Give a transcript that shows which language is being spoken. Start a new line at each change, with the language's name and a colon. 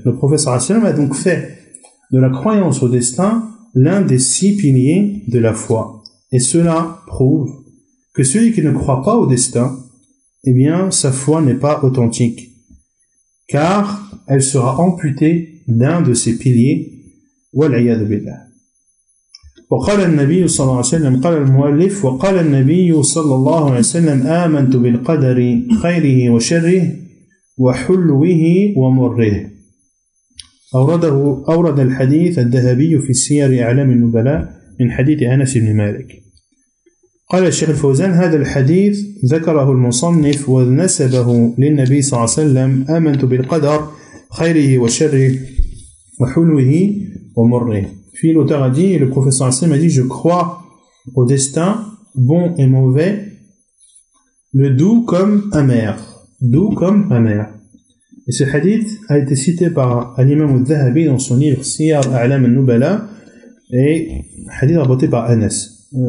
French: Le prophète sallallahu alayhi wa sallam a donc fait de la croyance au destin l'un des six piliers de la foi. Et cela prouve que celui qui ne croit pas au destin, eh bien, sa foi n'est pas authentique. Car elle sera amputée d'un de ses piliers.
Arabic: Wal'iyad billah. وقال النبي صلى الله عليه وسلم قال المؤلف وقال النبي صلى الله عليه وسلم آمنت بالقدر خيره وشره وحلوه ومره أورد الحديث الذهبي في سير أعلام النبلاء من حديث أنس بن مالك قال الشيخ الفوزان هذا الحديث ذكره المصنف ونسبه للنبي صلى الله عليه وسلم آمنت بالقدر خيره وشره وحلوه ومره.
French: Puis l'auteur a dit, et le professeur Hassan m'a dit, je crois au destin, bon et mauvais, le doux comme amer. Doux comme amer. Et ce hadith a été cité par Al-Imam al-Dhahabi dans son livre Siyar A'lam al-Nubala, et hadith rapporté par Anas.